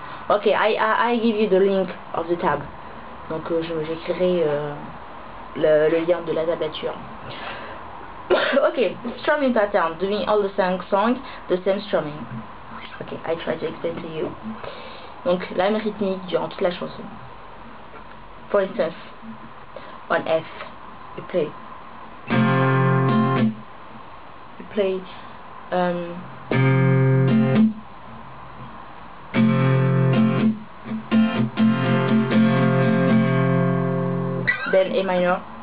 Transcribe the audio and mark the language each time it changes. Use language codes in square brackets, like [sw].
[en] Ok, I give you the link of the tab. [fr] Donc j'écrirai le lien de la tablature. [en] Ok, strumming pattern, doing all the same song, the same strumming. Ok, I try to explain to you. [fr] Donc la même rythmique durant toute la chanson. [en] For instance, on F, you play, then A minor,